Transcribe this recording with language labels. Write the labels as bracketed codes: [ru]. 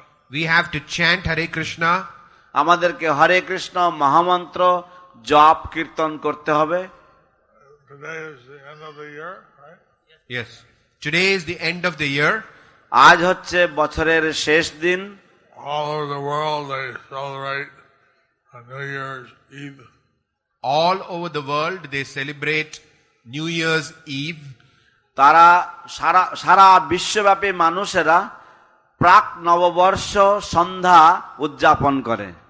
[en] We have to chant Hare Krishna. [bn] আমাদেরকে হরে কৃষ্ণ মহামন্ত্র জপ কীর্তন করতে হবে. [en] Today is the end of the year, right? Yes. Today is the end of the year. [bn] আজ হচ্ছে বছরের শেষ দিন. [en] All over the world they celebrate a New Year's Eve. All over the world they celebrate New Year's Eve. [bn] তারা সারা বিশ্বব্যাপী মানুষেরা প্রাক নববর্ষ সন্ধ্যা উদযাপন করে.